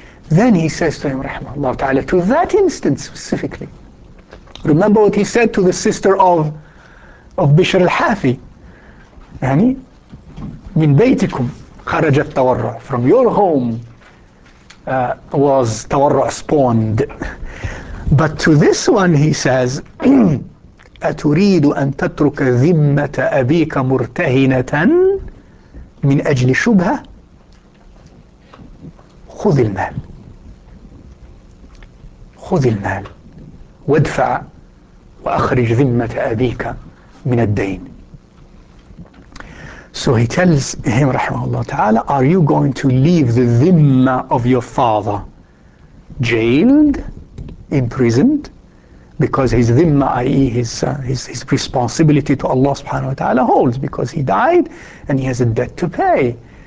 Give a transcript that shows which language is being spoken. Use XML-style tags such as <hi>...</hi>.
<en>Then he says to him, rahmahullah ta'ala, to that instance specifically, remember what he said to the sister of Bishr al-Hafi,</en> <ar>yani, min baytikum, kharajat tawarra,</ar> <en>from your home was tawarra spawned. But to this one he says,</en> <ar>أَتُرِيدُ أَن تَتْرُكَ ذِمَّةَ أَبِيكَ مُرْتَهِنَةً مِنْ أَجْلِ شُبْهَةً خُذِ الْمَالِ خُذِ الْمَالِ وَادْفَعَ وَأَخْرِجْ ذِمَّةَ أَبِيكَ مِنَ الدَّيْنِ.</ar> <en>So he tells him,</en> <ar>رحمه الله تعالى,</ar> <en>are you going to leave the dhimma of your father jailed, imprisoned, because his dhimma, i.e. His responsibility to Allah subhanahu wa ta'ala holds, because he died and he has a debt to pay.</en>